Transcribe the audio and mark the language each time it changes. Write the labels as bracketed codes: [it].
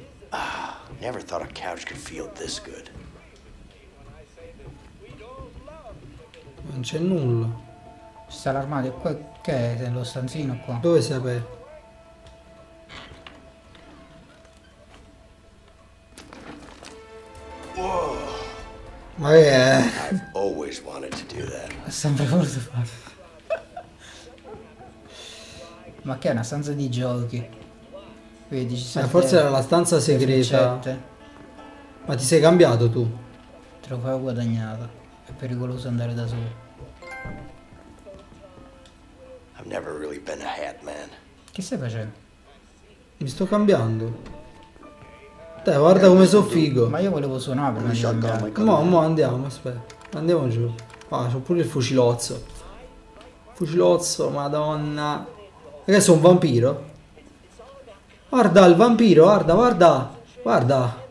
[en] Ah, never thought a couch could feel this good. [it] Non c'è nulla. Ci sta l'armadio qua, che è nello stanzino qua. Dove si apre? Ma è. [en] I've always wanted to do that. [it] Ho sempre voluto farlo. Ma che è una stanza di giochi? Vedi, ci sono forse era la stanza segreta. Ma ti sei cambiato tu? Trofeo guadagnato. È pericoloso andare da solo. [en] I've never really been a hat man. [it] Che stai facendo? Mi sto cambiando. Dai, guarda come sono figo. Ma io volevo suonare prima di cambiare. Mo andiamo, aspetta. Andiamo giù. Ah, c'ho pure il fucilozzo. Fucilozzo, madonna. Perché sono un vampiro? Guarda il vampiro, guarda.